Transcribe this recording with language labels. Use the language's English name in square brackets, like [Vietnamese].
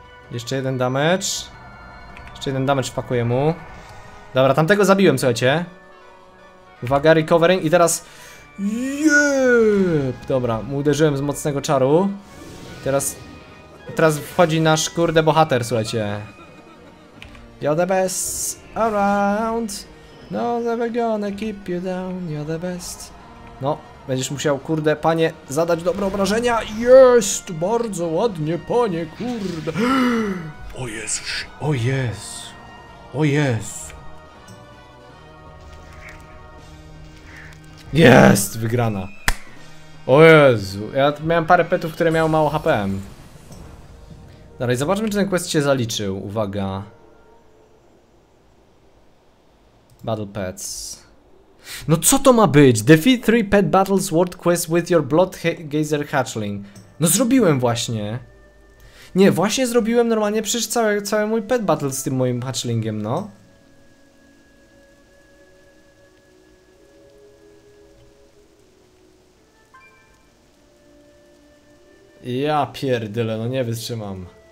[Polish] Jeszcze jeden damage. Jeszcze jeden damage wpakuję mu. Dobra, tamtego zabiłem, słuchajcie. Uwaga, recovering i teraz... [English] Yeah! [Polish] Dobra, mu uderzyłem z mocnego czaru. Teraz wchodzi nasz kurde bohater, słuchajcie. [English] You're the best around. No, never gonna keep you down. You're the best. [Polish] No, będziesz musiał, kurde, panie, zadać dobre obrażenia. Jest! Bardzo ładnie, panie, kurde. O Jezus. O Jezu. O Jezu. Jest! Wygrana. O Jezu. Ja miałem parę petów, które miały mało HP-em. Dalej, zobaczmy, czy ten quest się zaliczył. Uwaga. [English] Battle pets. [Polish] No co to ma być? [English] Defeat 3 pet battles world quest with your blood gazer hatchling. [Polish] No zrobiłem właśnie. Nie, właśnie zrobiłem normalnie przecież cały mój pet battle z tym moim hatchlingiem, no. Ja pierdyle, no nie wytrzymam.